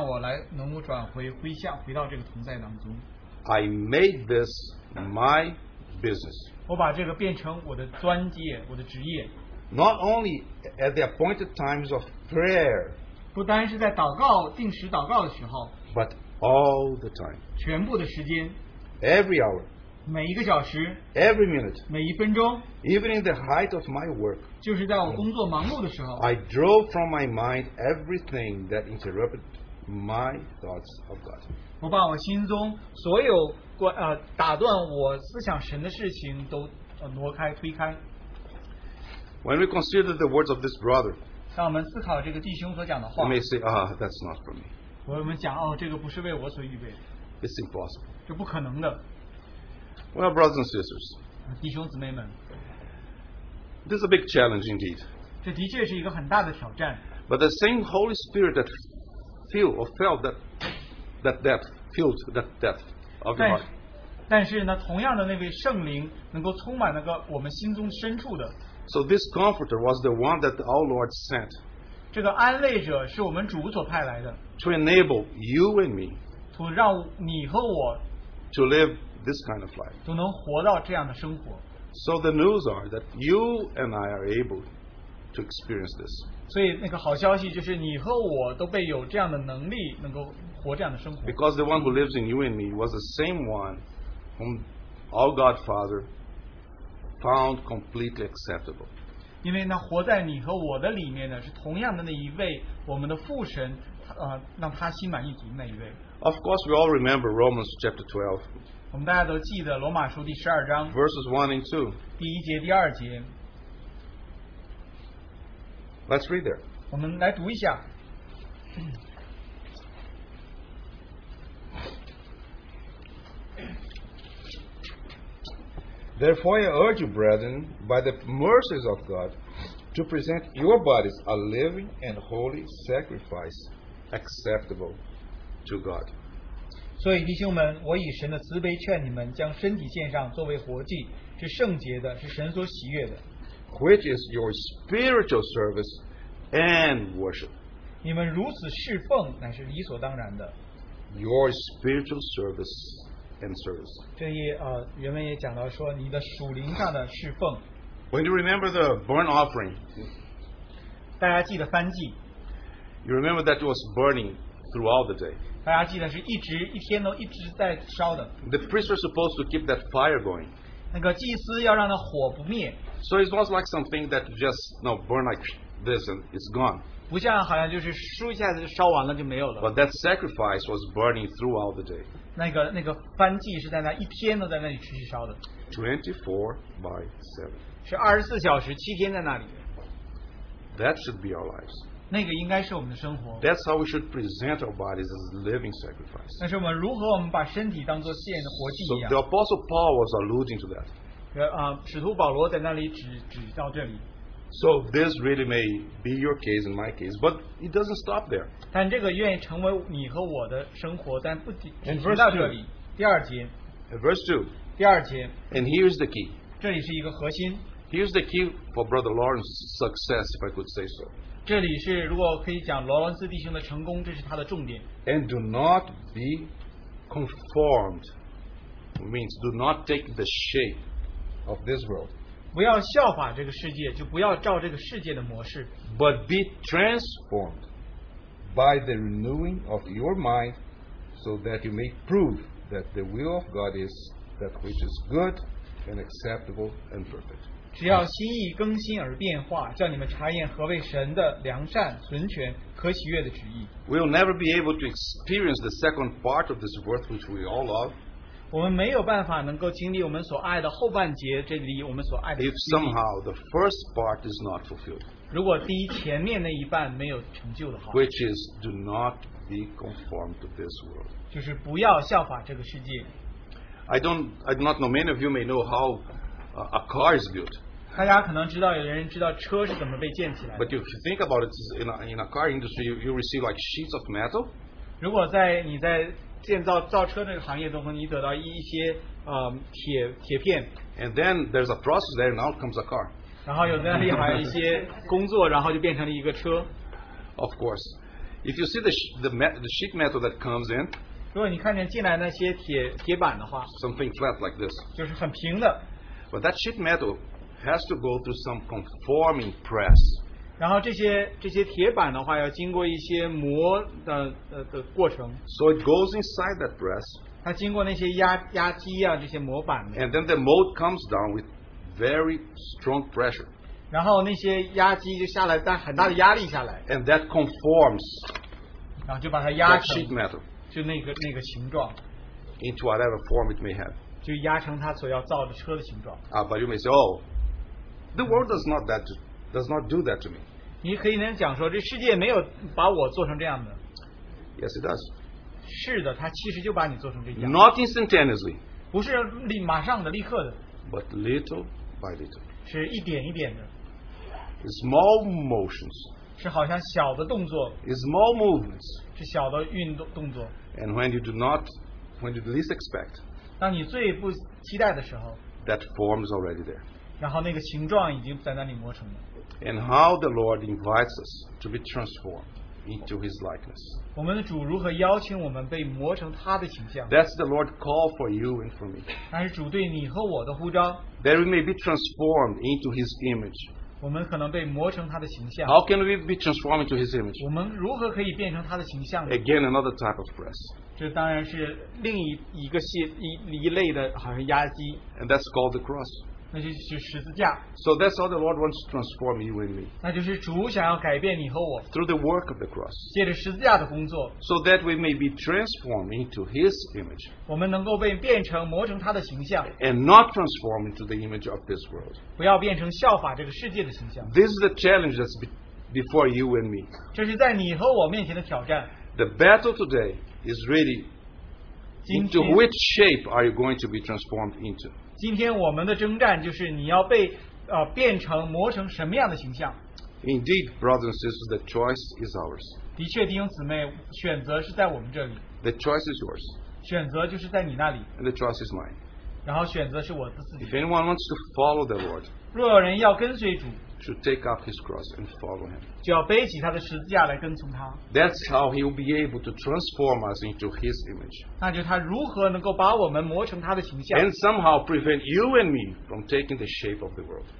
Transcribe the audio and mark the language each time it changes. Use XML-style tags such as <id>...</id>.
<zh>然后在我的心中一直保持他神圣的同在，然后呢，当我发现我远离他的时候，就让我来能够转回归向回到这个同在当中。</zh> <en>I made this my business.</en> <zh>我把这个变成我的专业，我的职业。</zh> <en>Not only at the appointed times of prayer,</en> <zh>不单是在祷告，定时祷告的时候,</zh> <en>but all the time,</en> <zh>全部的时间,</zh> <en>every hour,</en> <zh>每一个小时,</zh> <en>every minute,</en> <zh>每一分钟,</zh> <en>even in the height of my work,</en> <zh>就是在我工作忙碌的时候,</zh> <en>I drove from my mind everything that interrupted my thoughts of God.</en> <zh>我把我心中所有打断我思想神的事情都挪开推开。</zh> <en>When we consider the words of this brother,</en> <zh>让我们思考这个弟兄所讲的话。</zh> <en>You may say, ah, that's not for me.</en> <zh>我们讲哦，这个不是为我所预备的。</zh> <en>It's impossible.</en> <zh>这不可能的。</zh> <en>Well, brothers and sisters.</en> <zh>弟兄姊妹们。</zh> <en>This is a big challenge indeed.</en> <zh>这的确是一个很大的挑战。</zh> <en>But the same Holy Spirit that filled or felt that depth, filled that depth of your heart.</en> <zh>但是呢，同样的那位圣灵能够充满那个我们心中深处的。</zh> <en>So this Comforter was the one that our Lord sent.</en> <zh>这个安慰者是我们主所派来的。</zh> <en>To enable you and me.</en> <zh>都让你和我。</zh> <en>To live this kind of life.</en> <zh>都能活到这样的生活。</zh> <en>So the news are that you and I are able to experience this.</en> <zh>所以那个好消息就是你和我都被有这样的能力能够活这样的生活。</zh> <en>Because the one who lives in you and me was the same one. Whom our God Father found completely acceptable.</en> <zh>因为那活在你和我的里面呢，是同样的那一位，我们的父神，让他心满意足那一位。</zh> <en>Of course, we all remember Romans chapter 12.</en> <zh>我们大家都记得罗马书第十二章。</zh> <en>Verses 1 and 2.</en> <zh>第一节、第二节。</zh> <en>Let's read there.</en> <zh>我们来读一下。</zh> <en>Therefore, I urge you, brethren, by the mercies of God, to present your bodies a living and holy sacrifice, acceptable to God.</en> <zh>所以弟兄们，我以神的慈悲劝你们，将身体献上作为活祭，是圣洁的，是神所喜悦的。</zh> <en>Which is your spiritual service and worship?</en> <zh>你们如此侍奉，乃是理所当然的。</zh> <en>Your spiritual service. And service.</en> <zh>这一原文也讲到说你的属灵上的侍奉。</zh> <en>When you remember the burnt offering,</en> <zh>大家记得燔祭。</zh> <en>You remember that it was burning throughout the day.</en> <zh>大家记得是一直一天都一直在烧的。</zh> <en>The priest was supposed to keep that fire going.</en> <zh>那个祭司要让那火不灭。</zh> <en>So it was like something that just burn like this and it's gone.</en> <zh>不像好像就是烧一下子烧完了就没有了。</zh> <en>But that sacrifice was burning throughout the day.</en> <zh>那个燔祭是在那一天都在那里持续烧的。</zh> <en>24/7。</en> <zh>是24小时，七天在那里。</zh> <en>That should be our lives.</en> <zh>那个应该是我们的生活。</zh> <en>That's how we should present our bodies as living sacrifice.</en> <zh>那是我们如何我们把身体当做献的活祭一样。</zh> <en>So the apostle Paul was alluding to that.</en> <zh>使徒保罗在那里指到这里。</zh> <en>So this really may be your case and my case, but it doesn't stop there.</en> <zh>但这个愿意成为你和我的生活，但不仅仅停到这里。第二节。</zh> <en>Verse two.</en> <zh>第二节。</zh> <en>And here's the key.</en> <zh>这里是一个核心。</zh> <en>Here's the key for Brother Lawrence's success, if I could say so.</en> <zh>这里是如果可以讲罗伦斯弟兄的成功，这是他的重点。</zh> <en>And do not be conformed, means do not take the shape of this world.</en> <zh>不要效法这个世界，就不要照这个世界的模式。</zh> <en>But be transformed by the renewing of your mind, so that you may prove that the will of God is that which is good and acceptable and perfect.</en> <zh>只要心意更新而变化，叫你们查验何为神的良善、纯全、可喜悦的旨意。</zh> <en>We'll never be able to experience the second part of this world which we all love.</en> <zh>我们没有办法能够经历我们所爱的后半节，这里我们所爱的。</zh> <en>If somehow the first part is not fulfilled,</en> <zh>如果第一前面那一半没有成就的话</zh> <en>，which is do not be conformed to this world,</en> <zh>就是不要效法这个世界。</zh> <en>I do not know. Many of you may know how a car is built.</en> <zh>大家可能知道，有人知道车是怎么被建起来的。</zh> <en>But if you think about it, in a car industry, you receive like sheets of metal.</en> <zh>如果在你在建造造车这个行业中，你得到一些铁片</zh> <en>，and then there's a process there, and out comes a car.</en> <zh>然后有那里还有一些工作，然后就变成了一个车。</zh> <en>Of course, if you see the sheet metal that comes in,</en> <zh>如果你看见进来那些铁板的话</zh> <en>，something flat like this,</en> <zh>就是很平的。</zh> <en>But that sheet metal has to go through some conforming press.</en> <zh>然后这些铁板的话，要经过一些磨的过程。</zh> <en>So it goes inside that press.</en> <zh>它经过那些压机啊，这些模板。</zh> <en>And then the mold comes down with very strong pressure.</en> <zh>然后那些压机就下来，在很大的压力下来。</zh> <en>And that conforms.</en> <zh>然后就把它压成</zh> <en>sheet metal.</en> <zh>就那个形状。</zh> <en>Into whatever form it may have.</en> <zh>就压成它所要造的车的形状。</zh> <en>But you may say, oh, the world does not do that to me.</en> <zh>你可以能讲说这世界没有把我做成这样的。</zh> <en>Yes, it does.</en> <zh>是的，他其实就把你做成这样。</zh> <en>Not instantaneously.</en> <zh>不是立马上的，立刻的。</zh> <en>But little by little.</en> <zh>是一点一点的。</zh> <en>Small motions.</en> <zh>是好像小的动作。</zh> <en>Small movements.</en> <zh>是小的运动动作。</zh> <en>And when you do not, when you least expect.</en> <zh>当你最不期待的时候。</zh> <en>That form is already there.</en> <zh>然后那个形状已经在那里磨成了。</zh> <en>And how the Lord invites us to be transformed into His likeness.</en> <zh>我们的主如何邀请我们被磨成他的形象？</zh> <en>That's the Lord's call for you and for me.</en> <zh>那是主对你和我的呼召。</zh> <en>That we may be transformed into His image.</en> <zh>我们可能被磨成他的形象。</zh> <en>How can we be transformed into His image?</en> <zh>我们如何可以变成他的形象？</zh> <en>Again, another type of press.</en> <zh>这当然是另一个系一类的，好像压机。</zh> <en>And that's called the cross.</en> <zh>那就是十字架。</zh> <en>So that's all the Lord wants to transform you and me.</en> <zh>那就是主想要改变你和我。</zh> <en>Through the work of the cross.</en> <zh>借着十字架的工作。</zh> <en>So that we may be transformed into His image.</en> <zh>我们能够被变成磨成他的形象。</zh> <en>And not transformed into the image of this world.</en> <zh>不要变成效法这个世界的形象。</zh> <en>This is the challenge that's before you and me.</en> <zh>这是在你和我面前的挑战。</zh> <en>The battle today is really into which shape are you going to be transformed into?</en> <zh>今天我们的征战就是你要被变成磨成什么样的形象。</zh> <en>Indeed, brothers and sisters, the choice is ours.</en> <zh>的确，弟兄姊妹，选择是在我们这里。</zh> <en>The choice is yours.</en> <zh>选择就是在你那里。</zh> <en>And the choice is mine.</en> <zh>然后选择是我的自己。</zh> <en>If anyone wants to follow the Lord,</en> <zh>若有人要跟随主。</zh> <en>Should take up his cross and follow him.</en> <zh>就要背起他的十字架来跟从他。</zh> <en>That's how he will be able to transform us into his image.</en> <zh>那就他如何能够把我们磨成他的形象。</zh> <en>And somehow prevent you and me from taking the shape of the world.</en>